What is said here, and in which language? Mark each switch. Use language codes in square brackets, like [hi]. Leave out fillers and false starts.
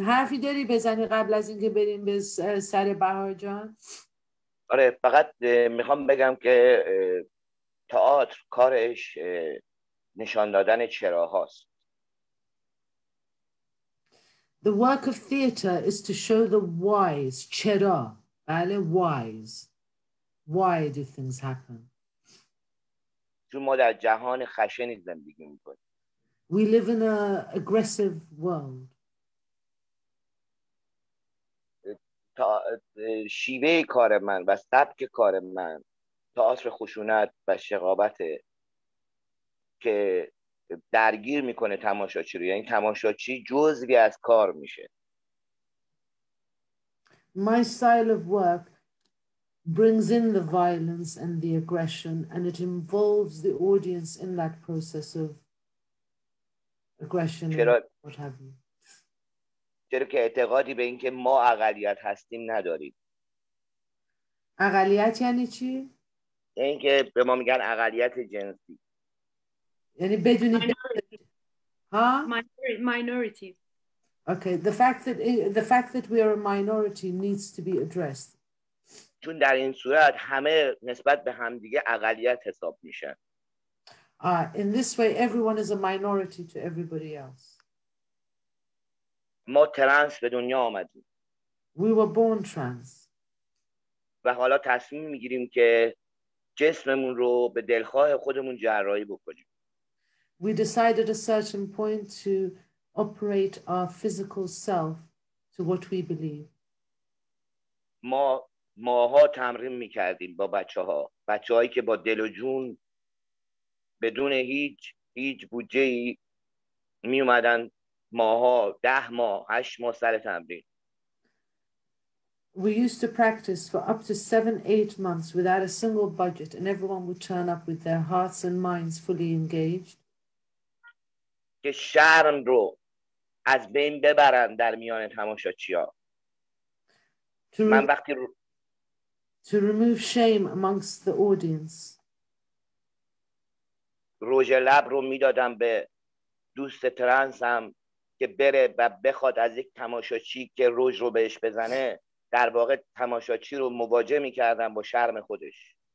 [fa] حرفی داری بزنی قبل از اینکه بریم به سر بهار جان؟ آره، فقط میخوام بگم که تئاتر کارش نشان دادن چراهاست. [en] The work of theater is to show the whys, [fa] چرا. [en] بله why's why do things happen [fa] تو ما در جهان خشنی زندگی میکنیم [en] we live in a aggressive world [fa] تا شیوه کار من و سبک کار من تئاتر خشونت و شقاوت که درگیر میکنه تماشاچی رو یعنی تماشاچی جزوی از کار میشه [en] My style of work brings in the violence and the aggression, and it involves the audience in that process of aggression, what have you. [fa] چرا که اعتقادی به این که ما اقلیت هستیم نداریم. اقلیت یعنی چی؟ این که به ما میگن اقلیت جنسی. یعنی بدونی [en] Minority. Okay, the fact that we are a minority needs to be addressed. [fa] چون در این صورت همه نسبت به همدیگه اقلیت حساب میشن. [en] In this way, everyone is a minority to everybody else. [fa] ما ترنس به دنیا آمدیم. [en] We were born trans. [fa] و حالا تصمیم میگیریم که جسممون رو به دلخواه خودمون جراحی بکنیم. [en] We decided at a certain point to operate our physical self to what we believe. [fa] ماها تمرین میکردیم با بچه‌ها، بچه‌هایی که با دل و جون بدون هیچ بودجه‌ای میومدن ماها 10 ماه 8 ماه سر تمرین. [en] We used to practice for up to 7-8 months without a single budget and everyone would turn up with their hearts and minds fully engaged. [fa] که شرم رو از بین ببرن در میان تماشاچی ها من وقتی [en] to remove shame amongst the audience [fa] روژ لب رو میدادم به دوست ترنسم که بره و بخواد از یک تماشاچی که روژ رو بهش بزنه در واقع تماشاچی رو مواجه میکردم با شرم خودش